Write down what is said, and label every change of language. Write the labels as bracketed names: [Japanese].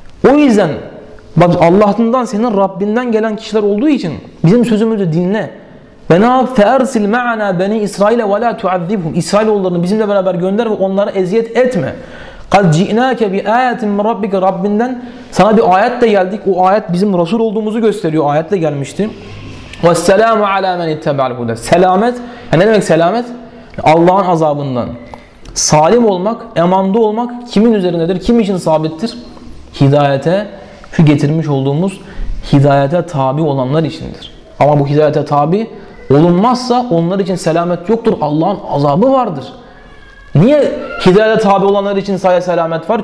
[Turkish] O yüzden bak Allah'tan, senin Rabbinden gelen kişiler olduğu için bizim sözümüzü dinle. Ve ne yap? [Arabic] فَاَرْسِلْ مَعَنَا بَنِي إِسْرَائِلَ وَلَا تُعَذِّبْهُمْ [Turkish] İsrailoğullarını bizimle beraber gönder ve onlara eziyet etme. [Arabic] قَدْ جِئْنَاكَ بِآيَةٍ مِنْ رَبِّكَ [Turkish] Rabbinden sana bir ayetle geldik. O ayet bizim Resul olduğumuzu gösteriyor. Ayetle gelmişti. [Arabic] وَالسَّلَامُ عَلَى مَنْ اِتَّبَعَ الْهُدَى [Turkish] Selamet. Yani ne demek selamet? Allah'ın azabından. Salim olmak, emanda olmak kimin üzerindedir? Kim için sabittir? Hidayete, şu getirmiş olduğumuz hidayete tabi olanlar içindir. Ama bu hidayete tabi olunmazsa onlar için selamet yoktur. Allah'ın azabı vardır. Niye hidayete tabi olanlar için sadece selamet var?